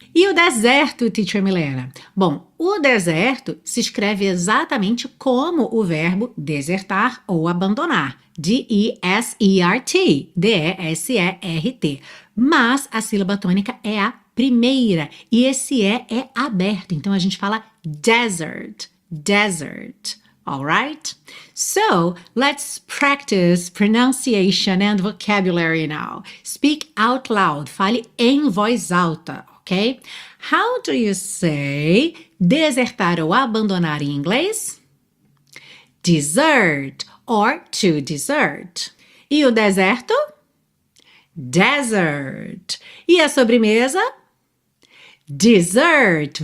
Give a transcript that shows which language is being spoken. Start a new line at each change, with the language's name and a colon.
Portuguese: E o deserto, Teacher Milena? Bom, o deserto se escreve exatamente como o verbo desertar ou abandonar. D-E-S-E-R-T. D-E-S-E-R-T. Mas a sílaba tônica é a primeira e esse é aberto. Então a gente fala desert, desert.
English: All right? So, let's practice pronunciation and vocabulary now. Speak out loud.
Portuguese: Fale em voz alta, ok?
English: How do you say
Portuguese: desertar ou abandonar em inglês?
English: Desert or to desert.
Portuguese: E o deserto? Desert. E a sobremesa? Desert.